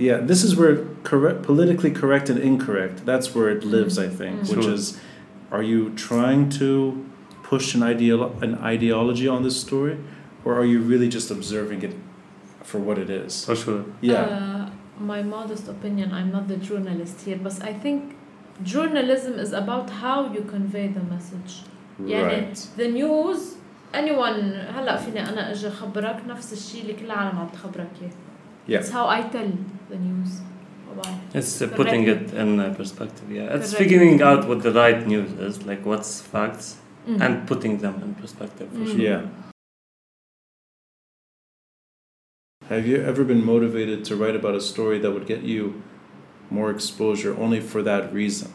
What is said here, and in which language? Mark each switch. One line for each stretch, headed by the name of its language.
English: Yeah, this is where politically correct and incorrect, that's where it lives, I think, which is, are you trying to push an ideology on this story, or are you really just observing it for what it is? Oh, sure. Yeah. My modest opinion, I'm not the journalist here, but I think journalism is about how you convey the message. Right. The news
Arabic: anyone هلا فيني انا اجي خبرك نفس الشيء اللي كل العالم عم تخبرك اياه.
English: Yeah. It's how I tell the news. It's putting it in perspective. Yeah, it's figuring out what the right news is, like what's facts, mm-hmm. and putting them in perspective for sure. Yeah. Have you ever been motivated to write about a story that would get you more exposure only for that reason?